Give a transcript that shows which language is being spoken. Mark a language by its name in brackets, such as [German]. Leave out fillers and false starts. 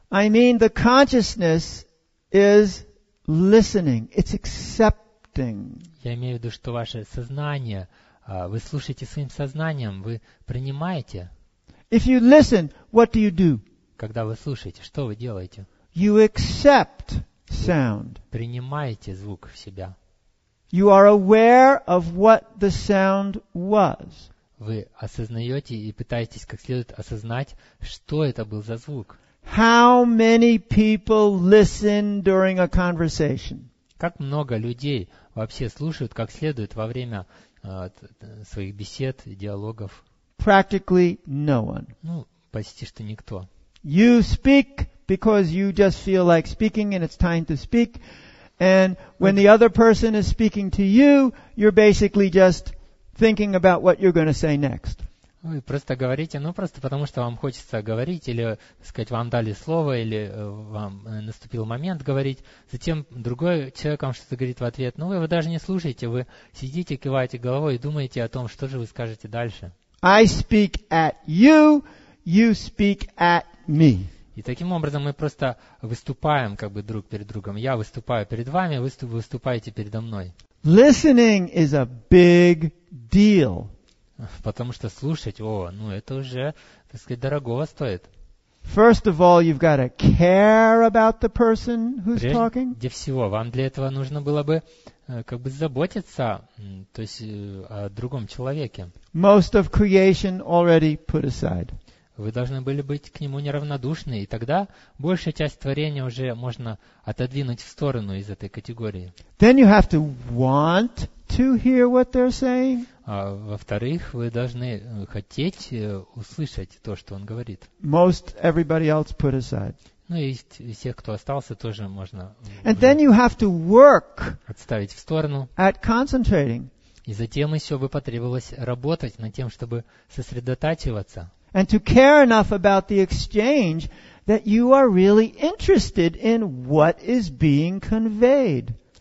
[English] I mean the consciousness is listening. It's accepting. [Russian] Я имею в виду, что ваше сознание, вы слушаете своим сознанием, вы принимаете. [English] If you listen, what do you do? [Russian] Когда вы слушаете, что вы делаете? [English] You accept sound. [Russian] Принимаете звук в себя. [English] You are aware of what the sound was. [Russian] Вы осознаете и пытаетесь как следует осознать, что это был за звук. [English] How many people listen during a conversation? [Russian] Как много людей вообще слушают как следует во время своих бесед, диалогов? [English] Practically no one. [Russian] Ну, почти что никто. [English] You speak because you just feel like speaking and it's time to speak. And when the other person is speaking to you, you're basically just thinking about what you're going to say next. [Russian] Вы просто говорите, просто потому что вам хочется говорить, или, сказать, вам дали слово, или вам наступил момент говорить. Затем другой человек вам что-то говорит в ответ. Но вы его даже не слушаете. Вы сидите, киваете головой и думаете о том, что же вы скажете дальше. [English] I speak at you, you speak at me. [Russian] И таким образом мы просто выступаем как бы друг перед другом. Я выступаю перед вами, вы выступаете передо мной. [English] Listening is a big deal. [Russian] Потому что слушать, это уже, так сказать, дорогого стоит. [English] First of all, you've got to care about the person who's talking. [Russian] Прежде всего, вам для этого нужно было бы как бы заботиться, то есть о другом человеке. [English] Most of creation already put aside. [Russian] вы должны были быть к нему неравнодушны, и тогда большая часть творения уже можно отодвинуть в сторону из этой категории. [English] Then you have to want to hear what they're saying. [Russian] Во-вторых, вы должны хотеть услышать то, что он говорит. [English] Most everybody else put aside. [Russian] Ну и всех, кто остался, тоже можно. [English] And then you have to work. [Russian] Отставить в сторону. [English] At concentrating. [Russian] И затем еще бы потребовалось работать над тем, чтобы сосредотачиваться. [English] And to care enough about the exchange that you are really interested in what is being conveyed.